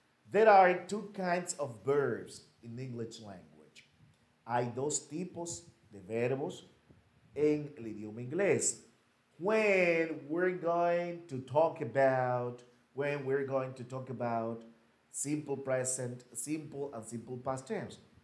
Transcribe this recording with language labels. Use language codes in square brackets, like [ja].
[en] There are two kinds of verbs in the English language. [es] Hay dos tipos de verbos en el idioma inglés. [en] When we're going to talk about simple present, simple and simple past tense.